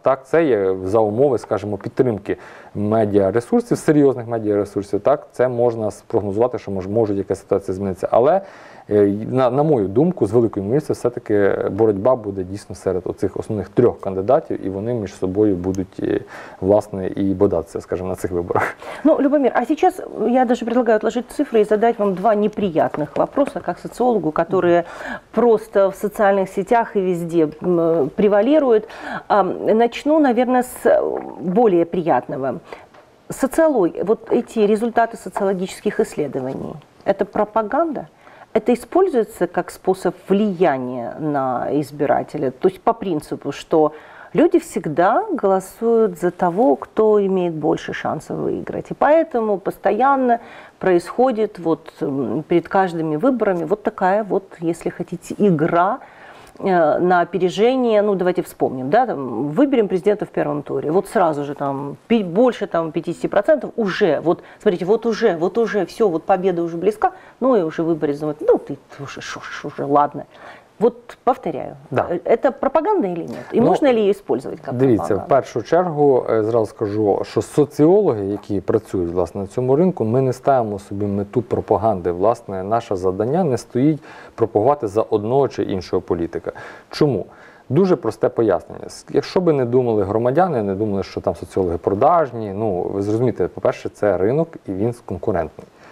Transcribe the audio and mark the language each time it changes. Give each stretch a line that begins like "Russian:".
Ukrainian: Так, це є за умови, скажімо, підтримки медіаресурсів, серйозних медіаресурсів. Так, це можна спрогнозувати, що може якась ситуація змінитися. Але, на мою думку, з великою мірою, все-таки боротьба буде дійсно серед оцих основних трьох кандидатів, і вони між собою будуть, власне, і бодатися, скажімо, на цих виборах.
Russian: Ну, Любомир, а зараз я даже предлагаю отложить цифри і задати вам два неприятних вопроса, як соціологу, которые просто в социальных сетях и везде превалируют. Начну, наверное, с более приятного. Вот эти результаты социологических исследований – это пропаганда? Это используется как способ влияния на избирателя? То есть по принципу, что люди всегда голосуют за того, кто имеет больше шансов выиграть. И поэтому постоянно происходит вот перед каждыми выборами вот такая вот, если хотите, игра на опережение. Ну, давайте вспомним, да, там, выберем президента в первом туре. Вот сразу же там больше там 50% уже, вот смотрите, вот уже, все, вот победа уже близка, ну и уже выборы думают, ну ты уже, ладно. Вот повторяю, да. Это пропаганда или нет? И можно ли ее использовать как пропаганду?
Ukrainian: Дивіться, в першу чергу, зразу скажу, що соціологи, які працюють, власне, на цьому ринку, ми не ставимо собі мету пропаганди. Власне, наше завдання не стоїть пропагувати за одного чи іншого політика. Чому? Дуже просте пояснення. Якщо би не думали громадяни, не думали, що там соціологи продажні, ну, ви зрозумієте, по-перше, це ринок і він конкурентний.